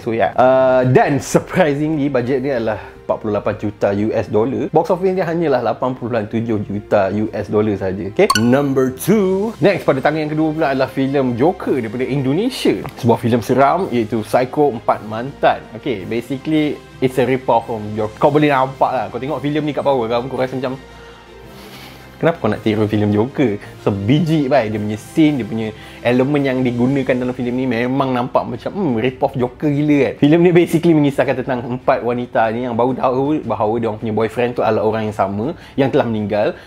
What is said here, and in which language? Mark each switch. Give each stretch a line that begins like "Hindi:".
English: So, yeah.
Malay: Dan,
English: surprisingly,
Malay: bajet dia adalah 48 juta US dollar. Box office dia hanyalah 87 juta US dollar saja.
English: Okay, number 2.
Malay: Next, pada tangan yang kedua pula adalah filem Joker daripada Indonesia. Sebuah filem seram iaitu Psycho 4 Mantan.
English: Okay, basically it's a rip-off from Joker.
Malay: Kau boleh nampak lah, kau tengok filem ni kat bawah kan, kau rasa macam, kenapa kau nak tiru filem Joker? Sebiji bhai, dia punya scene, dia punya elemen yang digunakan dalam filem ni memang nampak macam rip-off Joker gila kan. Filem ni basically mengisahkan tentang empat wanita ni yang baru tahu bahawa dia orang punya boyfriend tu adalah orang yang sama yang telah meninggal.